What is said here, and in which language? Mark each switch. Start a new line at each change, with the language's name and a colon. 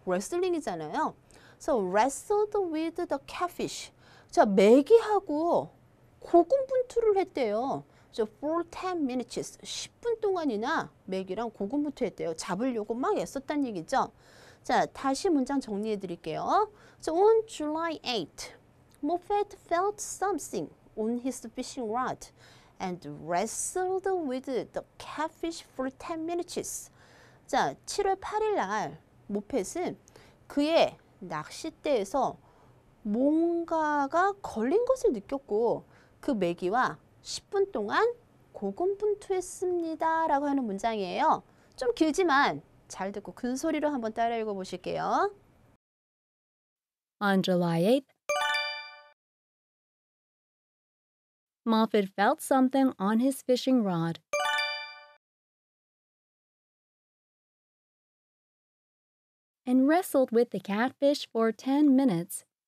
English: wrestling이잖아요. So wrestled with the catfish.
Korean: 자, 매기하고 고군분투를 했대요.
English: So for 10 minutes.
Korean: 10분 동안이나 매기랑 고군분투했대요. 잡으려고 막 애썼다는 얘기죠. 자, 다시 문장 정리해 드릴게요.
English: So on July 8th, Moffat felt something on his fishing rod and wrestled with the catfish for 10 minutes.
Korean: 자, 7월 8일 날 모펫은 그의 낚싯대에서 뭔가가 걸린 것을 느꼈고 그 메기와 10분 동안 고군분투했습니다 라고 하는 문장이에요. 좀 길지만 잘 듣고 근소리로 한번 따라 읽어보실게요.
English: On July 8th, Moffat felt something on his fishing rod and wrestled with the catfish for 10 minutes.